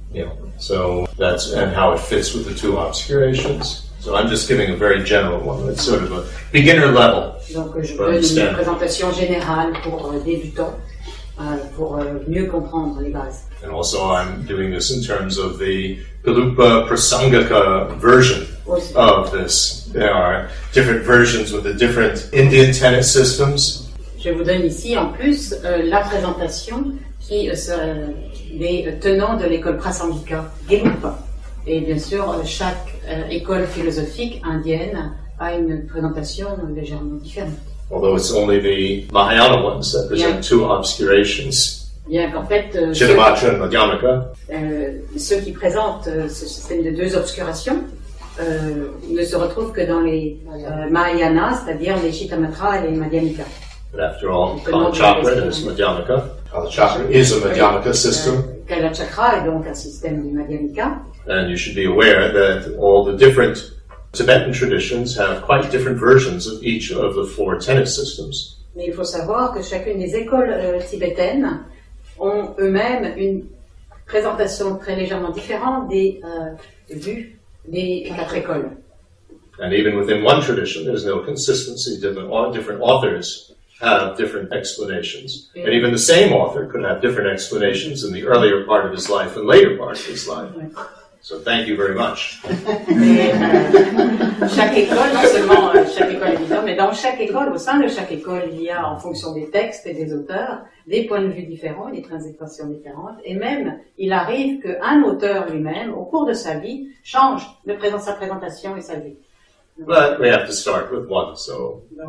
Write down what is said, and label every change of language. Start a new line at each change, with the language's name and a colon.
English: Yeah, so that's and how it fits with the two obscurations. So I'm just giving a very general one. It's sort of a beginner level.
French: Donc je donne une présentation générale pour débutants pour mieux comprendre les bases.
English: And also I'm doing this in terms of the Kalupa Prasangika version of this. There are different versions with the different Indian tenet systems.
French: Je vous donne ici en plus la présentation qui les tenants de l'école Prasangika, Gelupa. Et bien sûr, chaque école philosophique indienne a une présentation légèrement différente.
English: Although it's only the Mahayana ones that present two obscurations.
French: Bien qu'en fait, ceux qui présentent ce système de deux obscurations ne se retrouvent que dans les Mahayana, c'est-à-dire les Chittamatra et les Madhyamika.
English: But after all, Kalachakra is Madhyamika. Kalachakra is a Madhyamika system.
French: Kalachakra est donc un système de Madhyamika.
English: And you should be aware that all the different Tibetan traditions have quite different versions of each of the four tenet systems.
French: Mais il faut savoir que chacune des écoles tibétaines ont eux-mêmes une présentation très légèrement différente des vues des quatre écoles.
English: And even within one tradition, there's no consistency. Different authors have different explanations. Mm-hmm. And even the same author could have different explanations in the earlier part of his life and later part of his life. Mm-hmm. So thank you very much.
French: Chaque école, non seulement chaque école évidemment, mais mais dans chaque école, au sein de chaque école, il y a, en fonction des textes et des auteurs, des points de vue différents, des transitions différentes, et même, il arrive qu'un auteur lui-même, au cours de sa vie, change de sa présentation et sa vie.
English: But we have to start with one, so.